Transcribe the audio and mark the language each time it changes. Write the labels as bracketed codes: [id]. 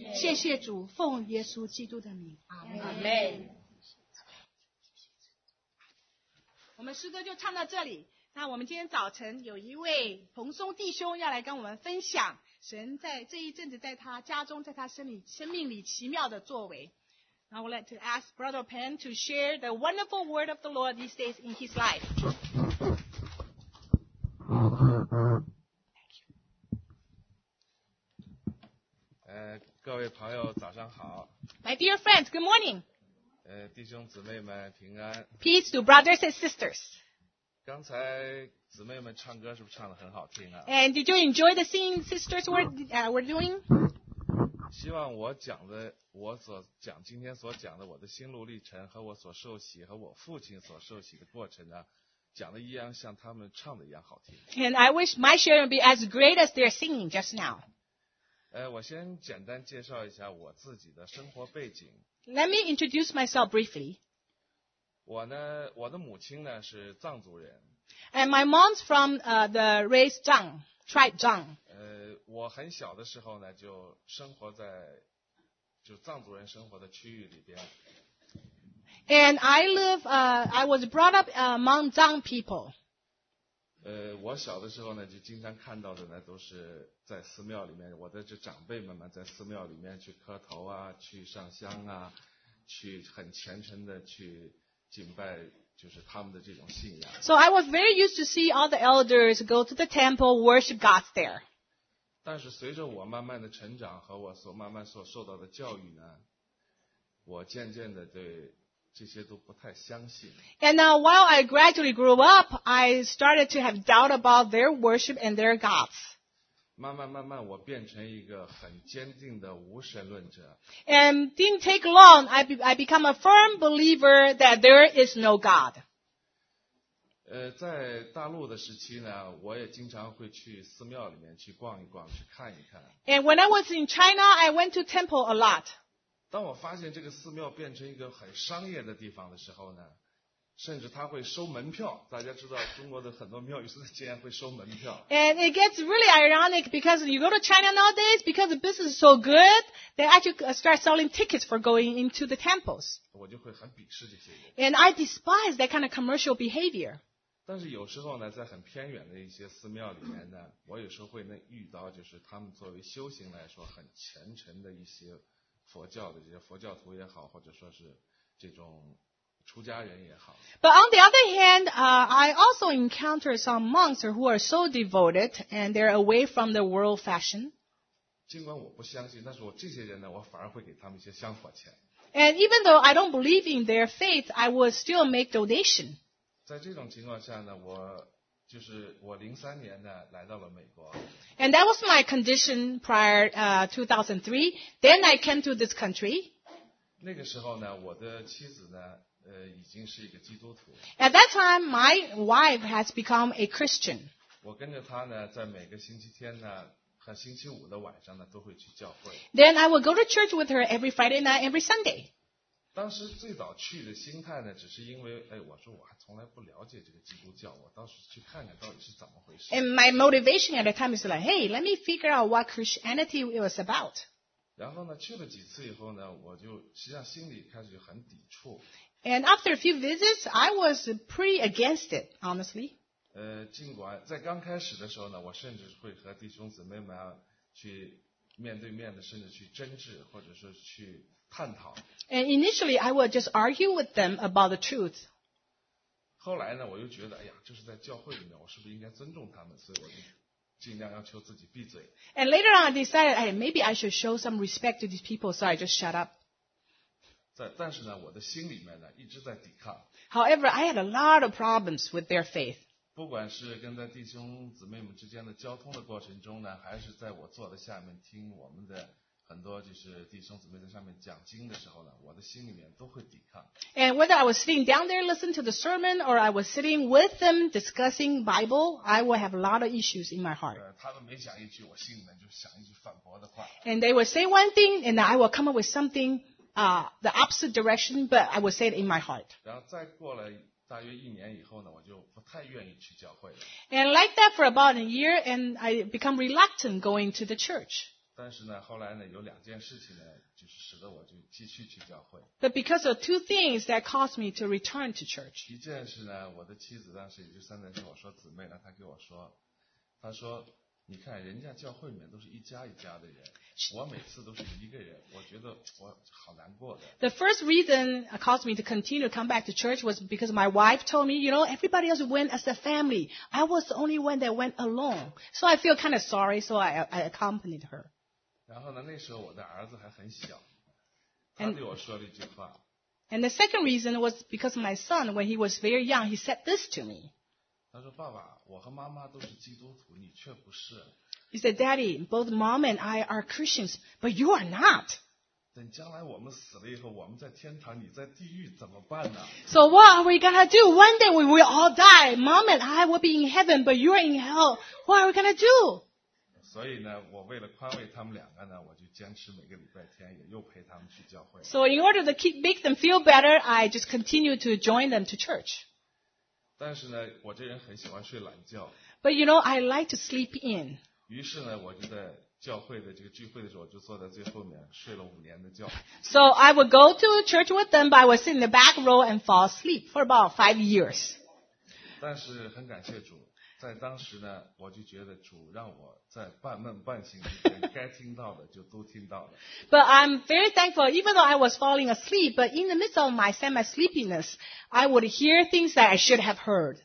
[zh] 谢谢主，奉耶稣基督的名，阿们。阿们。我们诗歌就唱到这里。那我们今天早晨有一位彭松弟兄要来跟我们分享神在这一阵子在他家中，在他生命里奇妙的作为。 [en] Now we'll let to ask Brother Penn to share the wonderful word of the Lord these days in his life. Thank you. [zh] 各位朋友早上好。 [en] My dear friends, good morning. [zh] 弟兄姊妹们平安。 [en] Peace to brothers and sisters. [zh] 刚才姊妹们唱歌是不是唱得很好听啊？ [en] And did you enjoy the singing sisters were doing? [zh] 希望我讲的我所讲今天所讲的我的心路历程和我所受洗和我父亲所受洗的过程呢，讲的一样像他们唱的一样好听。 [en] And I wish my sharing would be as great as their singing just now. [zh] 我先简单介绍一下我自己的生活背景。 [en] Let me introduce myself briefly. [zh] 我的母亲呢是藏族人。 [en] And my mom's from the race Zhang, tribe Zhang. [zh] 我很小的时候呢就生活在就藏族人生活的区域里边。 [en] And I was brought up among Zhang people. [zh] 我小的时候呢就经常看到的呢都是在寺庙里面，我的这长辈们嘛在寺庙里面去磕头啊，去上香啊，去很虔诚的去敬拜就是他们的这种信仰。 [en] So I was very used to see all the elders go to the temple, worship God there. [zh] 但是随着我慢慢的成长和我所慢慢所受到的教育呢，我渐渐的对这些都不太相信。 [en] And now while I gradually grew up, I started to have doubt about their worship and their gods. [zh] 慢慢慢慢我变成一个很坚定的无神论者。 [en] And didn't take long, I become a firm believer that there is no God. [zh] 在大陆的时期呢，我也经常会去寺庙里面去逛一逛，去看一看。 [en] And when I was in China, I went to temple a lot. [zh] 当我发现这个寺庙变成一个很商业的地方的时候呢，甚至他会收门票，大家知道中国的很多庙宇现在竟然会收门票。 [en] And it gets really ironic because you go to China nowadays, because the business is so good, they actually start selling tickets for going into the temples. [zh] 我就会很鄙视这些人。 [en] And I despise that kind of commercial behavior. [zh] 但是有时候呢，在很偏远的一些寺庙里面呢，我有时候会能遇到就是他们作为修行来说很虔诚的一些佛教的这些佛教徒也好，或者说是这种出家人也好。 [en] But on the other hand, I also encounter some monks who are so devoted and they're away from the world fashion. [zh] 尽管我不相信，但是我这些人呢，我反而会给他们一些香火钱。 [en] And even though I don't believe in their faith, I would still make donation. [zh] 在这种情况下呢，我就是我零三年呢来到了美国。 [en] And that was my condition prior 2003. Then I came to this country. [zh] 那个时候呢，我的妻子呢。已经是一个基督徒。 [en] At that time, my wife has become a Christian. [zh] 我跟着她呢，在每个星期天呢和星期五的晚上呢，都会去教会。 [en] Then I would go to church with her every Friday night, every Sunday. [zh] 当时最早去的心态呢，只是因为，我说我还从来不了解这个基督教，我倒是去看看到底是怎么回事。 [en] And my motivation at the time is like, hey, let me figure out what Christianity it was about. [zh] 然后呢，去了几次以后呢，我就实际上心里开始就很抵触。 [en] And after a few visits, I was pretty against it, honestly. [zh] 尽管在刚开始的时候呢，我甚至会和弟兄姊妹们去面对面的甚至去争执或者说去探讨。 [en] And initially, I would just argue with them about the truth. [zh] 后来呢，我又觉得，哎呀，就是在教会里面，我是不是应该尊重他们？所以我就尽量要求自己闭嘴。 [en] And later on, I decided, hey, maybe I should show some respect to these people, so I just shut up. [zh] 但是呢，我的心里面呢，一直在抵抗。 [en] However, I had a lot of problems with their faith. [zh] 不管是跟在弟兄姊妹们之间的交通的过程中呢，还是在我坐在下面听我们的很多就是弟兄姊妹在上面讲经的时候呢，我的心里面都会抵抗。 [en] And whether I was sitting down there listening to the sermon or I was sitting with them discussing Bible, I would have a lot of issues in my heart. [zh] 他们每讲一句，我心里面就想一句反驳的话。 [en] And they would say one thing, and I will come up with something, the opposite direction, but I would say it in my heart. [zh] 然后再过来。大约一年以后呢，我就不太愿意去教会了。 [en] And like that for about a year, and I become reluctant going to the church. [zh] 但是呢，后来呢，有两件事情呢，就是使得我就继续去教会。 [en] But because of two things that caused me to return to church. [zh] 一件事呢，我的妻子当时也就三年前我说姊妹呢，她给我说，她说，你看人家教会里面都是一家一家的人，我每次都是一个人，我觉得我好难过的。 [en] The first reason caused me to continue to come back to church was because my wife told me, you know, everybody else went as a family. I was the only one that went alone. So I feel kind of sorry, so I accompanied her. [zh] 然后呢，那时候我的儿子还很小，他对我说了一句话。 [en] And the second reason was because my son, when he was very young, he said this to me. [zh] 他说，爸爸，我和妈妈都是基督徒，你却不是。 [en] He said, Daddy, both mom and I are Christians, but you are not. [zh] 等将来我们死了以后，我们在天堂，你在地狱，怎么办呢？ [en] So what are we going to do? One day we will all die. Mom and I will be in heaven, but you are in hell. What are we going to do? [zh] 所以呢，我为了宽慰他们两个呢，我就坚持每个礼拜天也又陪他们去教会。 [en] So in order to make them feel better, I just continue to join them to church. [zh] 但是呢，我这人很喜欢睡懒觉。 [en] But you know, I like to sleep in. [zh] 于是呢，我就在教会的这个聚会的时候，我就坐在最后面睡了五年的觉。 [en] So I would go to church with them, but I would sit in the back row and fall asleep for about 5 years. [zh] 但是很感谢主，在当时呢，我就觉得主让我在半梦半醒之间，该听到的就都听到了。 [en] But I'm very thankful, even though I was falling asleep, but in the midst of my semi-sleepiness, I would hear things that I should have heard.